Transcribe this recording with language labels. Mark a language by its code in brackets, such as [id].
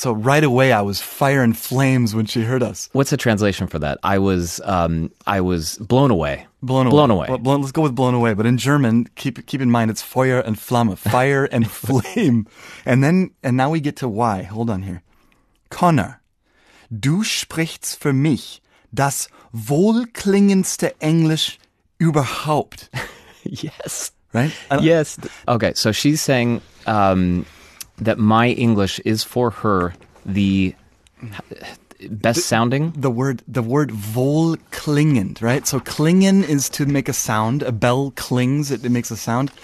[en] So right away, I was fire and flames when she heard us. What's the translation for that? I was blown away. Blown away. Well, let's go with blown away. But in German, keep in mind, it's [de] Feuer und Flamme, [en] fire and flame. And now we get to why. Hold on here. [de] Connor, du sprichst für mich das wohlklingendste Englisch überhaupt. [en] Yes. Right? Yes. Okay, so she's saying that my English is for her the best sounding. The word wohlklingend, right? So klingen is to make a sound. A bell clings, it makes a sound.